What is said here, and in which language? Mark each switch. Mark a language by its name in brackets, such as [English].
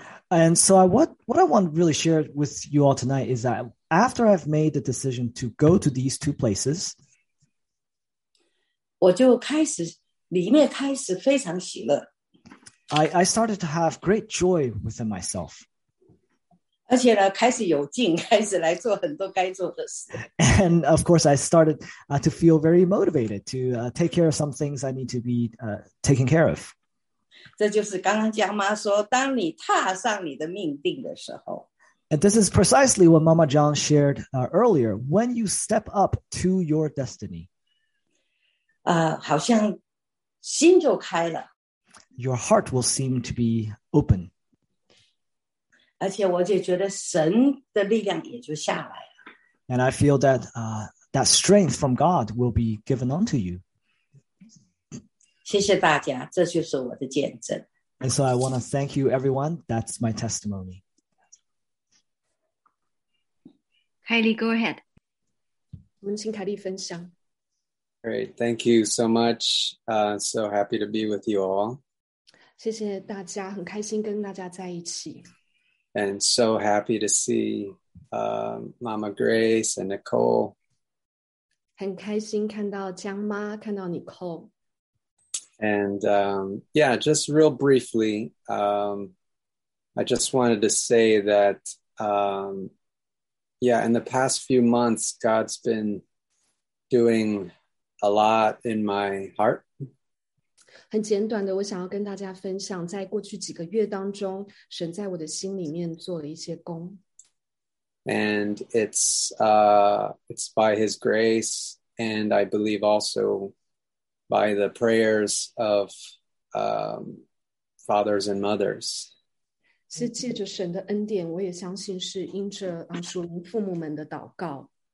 [English] And so what I want to really share with you all tonight is that after I've made the decision to go to these two places, [Chinese] 我就开始里面开始非常喜乐。 [English] I started to have great joy within myself. [Chinese] 而且呢，开始有劲，开始来做很多该做的事。 [English] And of course, I started to feel very motivated to take care of some things I need to be taken care of. [Chinese] 这就是刚刚江妈说，当你踏上你的命定的时候。 [English] And this is precisely what Mama John shared earlier. When you step up to your destiny. [Chinese] 好像心就开了。 [English] Your heart will seem to be open. [Chinese] 而且我就觉得神的力量也就下来了。 [English] And I feel that, that strength from God will be given unto you. [Chinese] 谢谢大家，这就是我的见证。 [English] And so I want to thank you, everyone. That's my testimony. Kylie, go ahead. [Chinese] 我们请凯莉分享。 [English] Great, thank you so much. So happy to be with you all. [Chinese] 谢谢大家，很开心跟大家在一起。 [English] And so happy to see Mama Grace and Nicole. [Chinese] 很开心看到江妈，看到 Nicole. [English] And yeah, just real briefly, I just wanted to say that, yeah, in the past few months, God's been doing... A lot in my heart. [Chinese] 很简短的，我想要跟大家分享，在过去几个月当中，神在我的心里面做了一些工。 [English] And it's by His grace, and I believe also by the prayers of fathers and mothers. [Chinese] 是借着神的恩典，我也相信是因着属灵父母们的祷告。